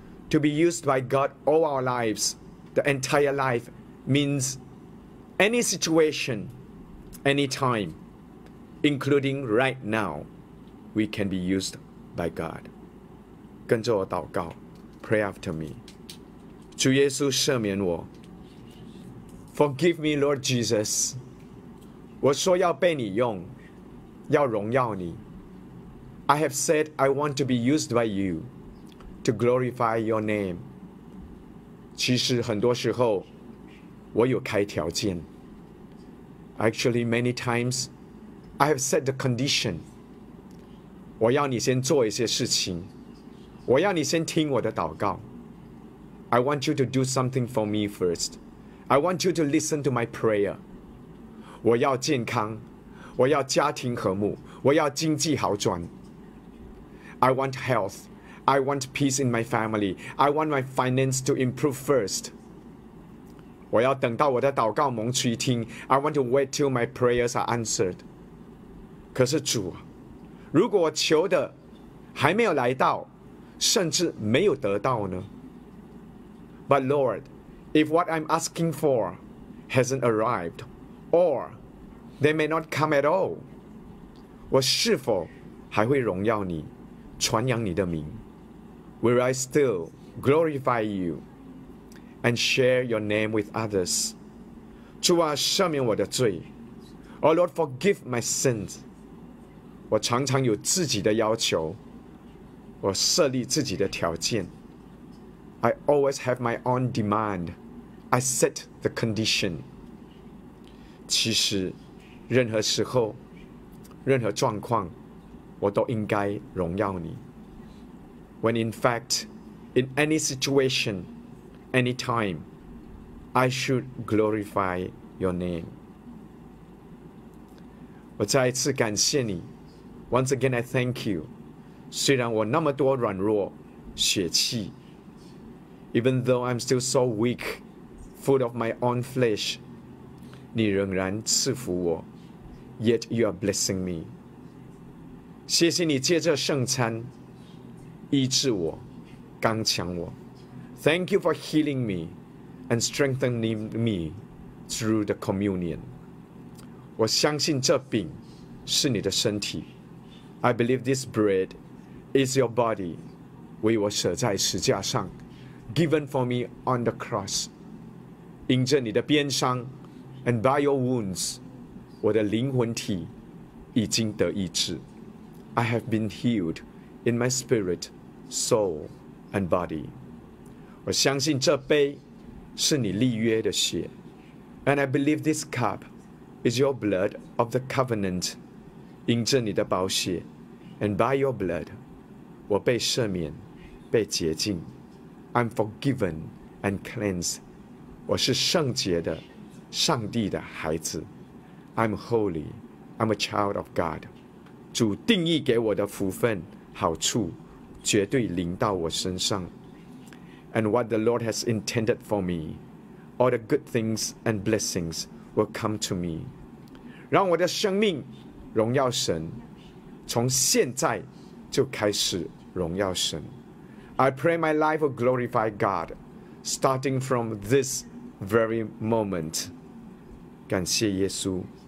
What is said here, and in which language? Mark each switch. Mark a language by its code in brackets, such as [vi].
[en] To be used by God all our lives, the entire life, means any situation, any time, including right now, we can be used by God. [zh] 跟着我祷告 [en] pray after me. [zh] 主耶稣赦免我， [en] Forgive me, Lord Jesus. [zh] 我说要被你用，要荣耀你。 [en] I have said I want to be used by you to glorify your name. [zh] 其实很多时候我有开条件。 [en] Actually, many times I have set the condition. [zh] 我要你先做一些事情，我要你先听我的祷告。 [en] I want you to do something for me first. I want you to listen to my prayer. [zh] 我要健康，我要家庭和睦，我要经济好转。 [en] I want health. I want peace in my family. I want my finance to improve first. [zh] 我要等到我的祷告蒙垂听。 [en] I want to wait till my prayers are answered. [zh] 可是主啊，如果我求的还没有来到，甚至没有得到呢？ [en] But Lord, if what I'm asking for hasn't arrived, or they may not come at all, [zh] 我是否还会荣耀你，传扬你的名？ [en] Will I still glorify you and share your name with others? [zh] 主啊，赦免我的罪。 [en] Oh Lord, forgive my sins. [zh] 我常常有自己的要求，我设立自己的条件。 [en] I always have my own demand. I set the condition. [zh] 其实任何时候任何状况我都应该荣耀你。 [en] When in fact, in any situation, any time, I should glorify your name. [zh] 我再一次感谢你。 [en] Once again, I thank you. [zh] 虽然我那么多软弱、血气， [en] Even though I'm still so weak, full of my own flesh, [zh] 你仍然赐福我。 [en] Yet you are blessing me. [zh] 谢谢你借着圣餐医治我，刚强我。 [en] Thank you for healing me and strengthening me through the communion. [zh] 我相信这饼是你的身体。 [en] I believe this bread is your body, [zh] 为我舍在十架上 [en] ，given for me on the cross. [zh] 因着你的鞭伤 ， [en] and by your wounds, [zh] 我的灵魂体已经得医治。 [en] I have been healed in my spirit, soul, and body. [zh] 我相信这杯是你立约的血。 [en] And I believe this cup is your blood of the covenant. [zh] 因着你的宝血 [en] And by your blood, [zh] 我被赦免，被洁净。 [en] I'm forgiven and cleansed. [zh] 我是圣洁的，上帝的孩子。 [en] I'm holy. I'm a child of God. [zh] 主定义给我的福分好处绝对临到我身上。 [en] And what the Lord has intended for me, all the good things and blessings will come to me. [zh] 让我的生命荣耀神，从现在就开始荣耀神。 [en] I pray my life will glorify God, starting from this very moment. [zh] 感谢耶稣。